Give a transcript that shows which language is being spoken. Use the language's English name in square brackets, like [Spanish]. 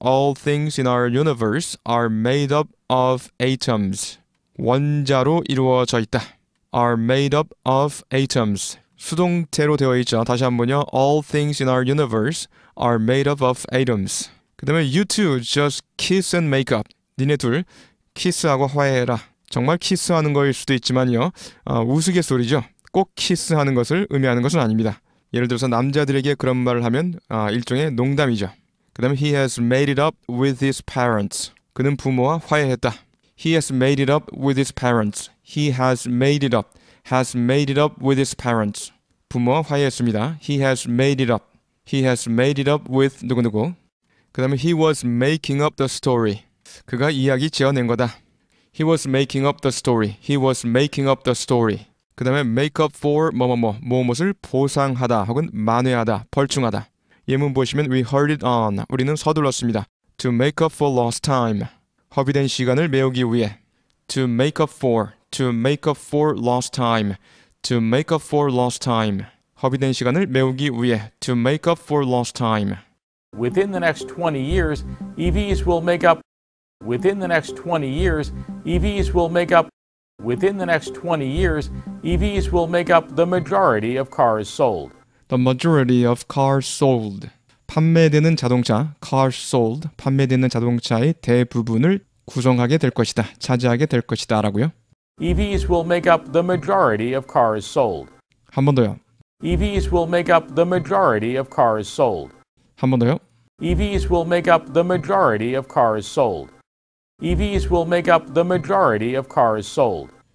[English] All things in our universe are made up of atoms. [Korean] 원자로 이루어져 있다. [English] Are made up of atoms. [Korean] 수동태로 되어 있죠. 다시 한번요. [English] All things in our universe are made up of atoms. [Korean] 그 다음에 [English] you two just kiss and make up. [Korean] 니네 둘 키스하고 화해해라. 정말 키스하는 거일 수도 있지만요. 우스갯소리죠. 꼭 키스하는 것을 의미하는 것은 아닙니다. 예를 들어서 남자들에게 그런 말을 하면 일종의 농담이죠. 그 다음에 [English] he has made it up with his parents. [Korean] 그는 부모와 화해했다. [English] He has made it up with his parents. He has made it up. Has made it up with his parents. [Korean] 부모와 화해했습니다. [English] He has made it up. He has made it up with [Korean] 누구누구. 그 다음에 [English] he was making up the story. [Korean] 그가 이야기 지어낸 거다. [English] He was making up the story. He was making up the story. [Korean] 그 다음에 make up for 뭐뭐뭐, 뭐뭐뭐를 보상하다 혹은 만회하다, 벌충하다. 예문 보시면 [English] we hurried on, [Korean] 우리는 서둘렀습니다. [English] To make up for lost time, [Korean] 허비된 시간을 메우기 위해. [English] To make up for, to make up for lost time, to make up for lost time, [Korean] 허비된 시간을 메우기 위해. [English] To make up for lost time. Within the next 20 years, EVs will make up within the next 20 years, EVs will make up, within the next 20 years, EVs will make up the majority of cars sold. The majority of cars sold. [Korean] 판매되는 자동차, cars sold, 판매되는 자동차의 대부분을 구성하게 될 것이다, 차지하게 될 것이다 라고요. [English] EVs will make up the majority of cars sold. [Korean] 한 번 더요. [English] EVs will make up the majority of cars sold. [Korean] 한 번 더요. [English] EVs will make up the majority of cars sold. EVs will make up the majority of cars sold.